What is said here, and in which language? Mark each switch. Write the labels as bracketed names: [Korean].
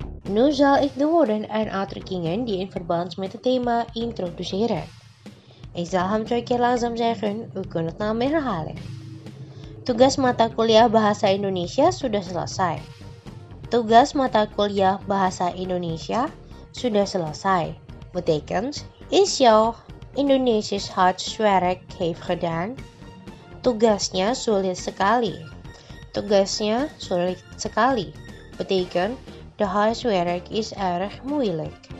[Dutch] Nu zal ik de woorden en uitdrukkingen die in verband met het thema introduceren. Ik zal hem twee keer langzaam zeggen, u kunt het naam herhalen. [Indonesian] Tugas mata kuliah Bahasa Indonesia sudah selesai. Tugas mata kuliah Bahasa Indonesia sudah selesai. [Dutch] Betekent, is jouw Indonesisch huiswerk heeft gedaan? [Indonesian] Tugasnya sulit sekali. Tugasnya sulit sekali. [Dutch] Betekent, de huiswerk is erg moeilijk.